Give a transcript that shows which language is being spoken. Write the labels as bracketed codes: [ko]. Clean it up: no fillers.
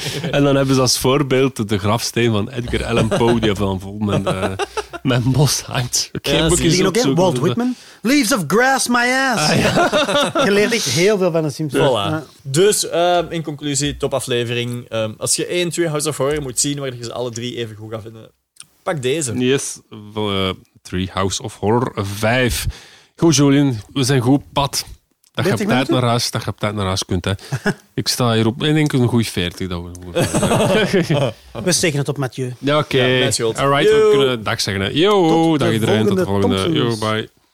[nl] En dan hebben ze als voorbeeld de grafsteen van Edgar Allan Poe, die van vol met mos hangt. [en] Walt Whitman. Leaves of grass, my ass. [nl] Je leert echt heel veel van de Simpsons. Voilà. Dus, in conclusie, top aflevering. Als je één, twee House of Horror moet zien, waar je ze alle drie even goed gaat vinden... Pak deze. [en] Yes, Treehouse of Horror 5. [nl] Goed, Julien, we zijn goed pad. Dat je op tijd naar huis, dat je op tijd naar huis kunt. Hè. Ik sta hier op, ik denk een goede 40. Dat we steken het op Mathieu. Ja, oké. Okay. Ja, alright, we kunnen dag zeggen. Hè. Yo, dag iedereen, tot de volgende. Yo, bye.